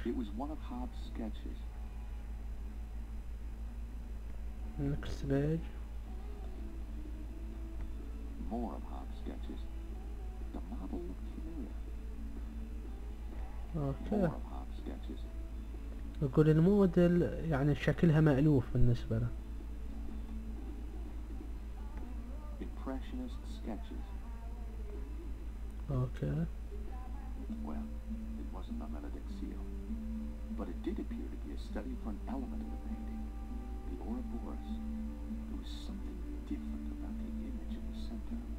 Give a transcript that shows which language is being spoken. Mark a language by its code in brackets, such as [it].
[en] It was one of Hobb's sketches. Next page. More of Hobb's sketches. The model looked familiar. Okay. More of Hobb's sketches. [ar] يقول الموديل يعني شكلها مألوف بالنسبة له. [en] Impressionist sketches. Okay. Well, it wasn't a Benedict seal, but it did appear to be a study for an element of the painting, the Ouroboros. There was something different about the image in the center.